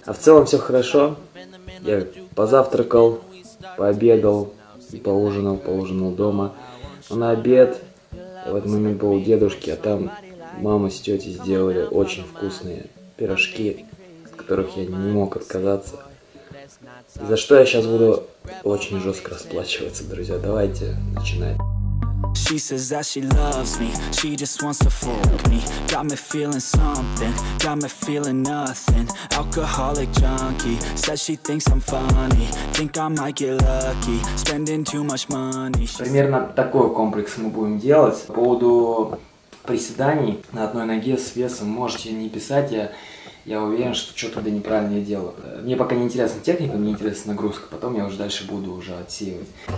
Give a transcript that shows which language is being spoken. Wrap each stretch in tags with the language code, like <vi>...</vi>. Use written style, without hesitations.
<ru>А в целом все хорошо. Я позавтракал, пообедал и поужинал дома. Но на обед в этот момент был у дедушки, а там мама с тетей сделали очень вкусные пирожки, от которых я не мог отказаться. И за что я сейчас буду очень жестко расплачиваться, друзья. Давайте начинать.</ru> <en>She says that she loves me, she just wants to fuck me. Got me feeling something, got me feeling nothing. Alcoholic junkie, says she thinks I'm funny. Think I might get lucky, spending too much money.</en> <ru>Примерно такой комплекс мы будем делать. По поводу приседаний на одной ноге с весом можете не писать, я уверен, что что-то неправильно я делаю. Мне пока не интересна техника, мне интересна нагрузка. Потом я уже дальше буду уже отсеивать.</ru>